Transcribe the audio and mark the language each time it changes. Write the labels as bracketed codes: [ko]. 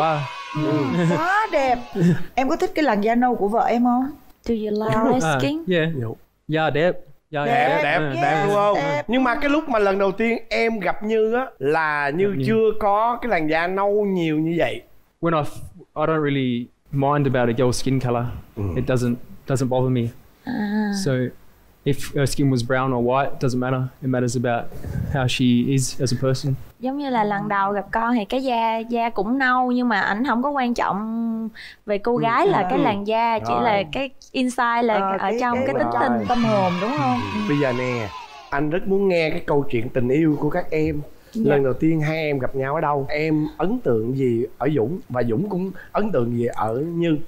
[vi] Quá. Quá đẹp. Em có thích cái làn da nâu của vợ em không? [en] Do you like skin? [vi] Đẹp. Đẹp đúng không? Đẹp. Nhưng mà cái lúc mà lần đầu tiên em gặp Như á là Như chưa có cái làn da nâu nhiều như vậy. [en] When I don't really mind about a girl's skin color. It doesn't bother me. So if her skin was brown or white, doesn't matter. It matters about how she is as a person. [vi] Giống như là lần đầu gặp con thì cái da cũng nâu nhưng mà ảnh không có quan trọng về cô gái là cái làn da, chỉ là cái inside là ở trong cái tính tình tâm hồn đúng không? Bây giờ nè, anh rất muốn nghe cái câu chuyện tình yêu của các em. Lần đầu tiên hai em gặp nhau ở đâu? Em ấn tượng gì ở Dũng và Dũng cũng ấn tượng gì ở Như?